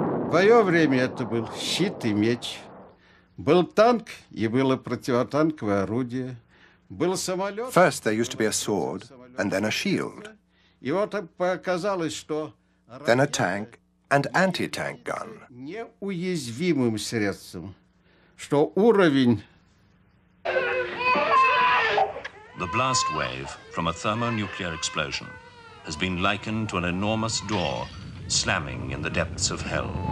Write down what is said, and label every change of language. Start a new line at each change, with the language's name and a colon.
Russian: В своё время это был щит и меч. Был танк и было противотанковое орудие. Был самолёт.
English: First there used to be a sword and then a shield.
Russian: И вот показалось, что
English: then a tank and anti-tank gun.
Russian: Неуязвимым средством, что уровень
English: the blast wave from a thermonuclear explosion has been likened to an enormous door slamming in the depths of hell.